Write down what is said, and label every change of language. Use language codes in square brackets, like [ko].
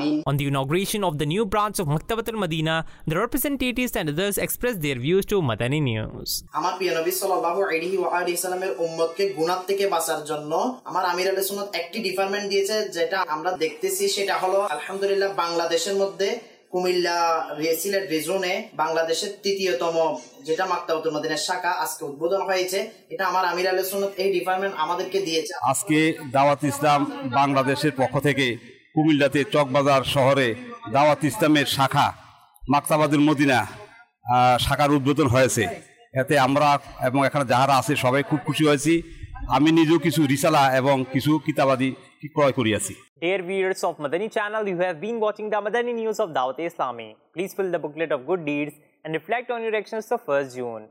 [en] On the inauguration of the new branch of Maktabatul Madina, the representatives and others expressed their views to Madani News. [bn] আমার প্রিয় নবী সাল্লাল্লাহু আলাইহি ওয়া আলিহি সাল্লামের উম্মতকে গুনাহ থেকে বাঁচার জন্য আমার আমির আহলে সুন্নাত একটি ডিপার্টমেন্ট দিয়েছে, যেটা আমরা দেখতেছি সেটা হলো আলহামদুলিল্লাহ বাংলাদেশের মধ্যে কুমিল্লা সিলেট রিজনে বাংলাদেশের তৃতীয়তম যেটা মাকতাবাতুল মদিনার শাখা আজকে উদ্বোধন হয়েছে, এটা আমার আমির আহলে সুন্নাত এই ডিপার্টমেন্ট আমাদেরকে দিয়েছে। আজকে দাওয়াত ইসলাম বাংলাদেশের পক্ষ থেকে কুমিল্লাতে চকবাজার শহরে দাওয়াত ইসলামের শাখা মাকতাবাতুল মদিনা শাখার উদ্বোধন হয়েছে। এতে আমরা এবং এখানে যারা আছে সবাই খুব খুশি হয়েছি। আমি নিজেও কিছু রিসালা এবং কিছু কিতাবাদি ক্রয় করিয়াছি। [en] Dear viewers of Madani channel, you have been watching the Madani News of Dawat-e-Islami. Please fill the booklet of good deeds and reflect on your actions the 1st June.